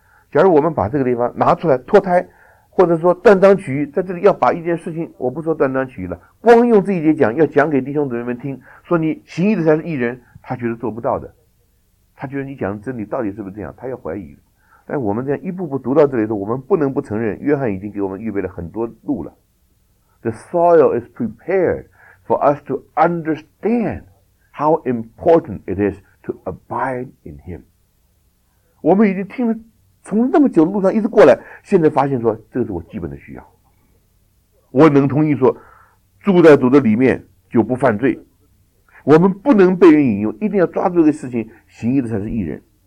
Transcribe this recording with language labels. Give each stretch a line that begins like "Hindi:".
Chinese: 假如我们把这个地方拿出来脱胎，或者说断章取义，在这里要把一件事情，我不说断章取义了，光用这一节讲，要讲给弟兄姊妹们听，说你行义的才是义人，他觉得做不到的，他觉得你讲的真理到底是不是这样，他要怀疑。但我们这样一步步读到这里的时候，我们不能不承认约翰已经给我们预备了很多路了。
English: The soil is prepared for us to understand how important it is to abide in Him.
Chinese: 我们已经听了，从那么久的路上一直过来，现在发现说，这是我基本的需要。我能同意说，住在主的里面就不犯罪。我们不能被人引诱，一定要抓住这个事情，行义的才是义人。